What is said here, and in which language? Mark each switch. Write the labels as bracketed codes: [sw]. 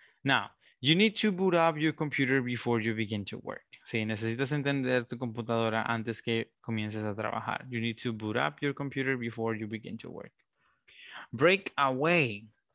[en] Now, you need to boot up your computer before you begin to work. [es] Sí, necesitas entender tu computadora antes que comiences a trabajar. [en] You need to boot up your computer before you begin to work. Break away.